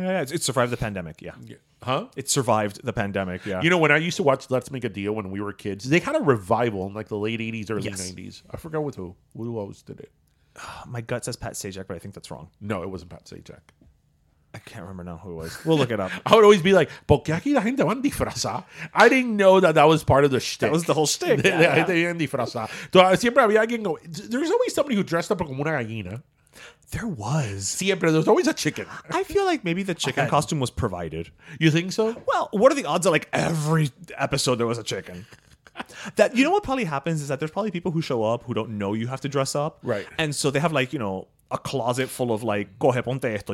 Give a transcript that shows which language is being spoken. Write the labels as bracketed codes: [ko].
[en] It survived the pandemic, yeah. Huh? It survived the pandemic, yeah. You know, when I used to watch Let's Make a Deal when we were kids, they had a revival in like the late 80s, early 90s. I forgot with who. Who else did it? My gut says Pat Sajak, but I think that's wrong. No, it wasn't Pat Sajak. I can't remember now who it was. We'll look it up. I would always be like, [es] ¿Por qué aquí la gente van disfrazada? [en] I didn't know that was part of the shtick. That was the whole shtick. [es] Siempre había alguien go. [en] There's always somebody who dressed up [es] como una gallina. [en] There was. Siempre, there's always a chicken. I feel like maybe the chicken costume was provided. You think so? Well, what are the odds that like every episode there was a chicken? That, you know what probably happens is that there's probably people who show up who don't know you have to dress up. Right. And so they have like, you know, a closet full of like, [es] coge, ponte esto.